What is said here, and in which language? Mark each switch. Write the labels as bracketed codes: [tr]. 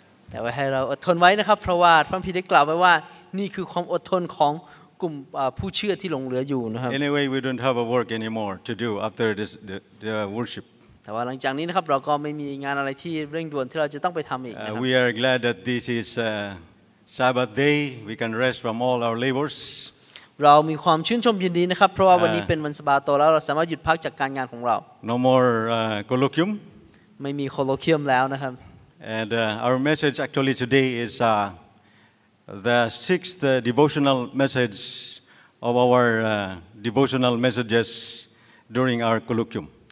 [th] แต่ว่าให้เราอดทนไว้นะครับเพราะว่าพระพิธีกล่าวไว้ว่านี่คือความอดทนของกลุ่มผู้เชื่อที่หลงเหลืออยู่นะครับ [en] Anyway we don't have a work anymore to do after this the worship [th] แต่ว่าหลังจากนี้นะครับเราก็ไม่มีงานอะไรที่เร่งด่วนที่เราจะต้องไปทําอีกนะครับ [en] We are glad that this is Sabbath day we can rest from all our labors [th] เรามีความชื่นชมยินดีนะครับเพราะว่าวันนี้เป็นวันสะบาโตแล้วเราสามารถหยุดพักจากการงานของเรา [en] No more colloquium [th] ไม่มี colloquium แล้วนะครับ [en] And our message actually today is the sixth devotional message of our devotional messages during our colloquium.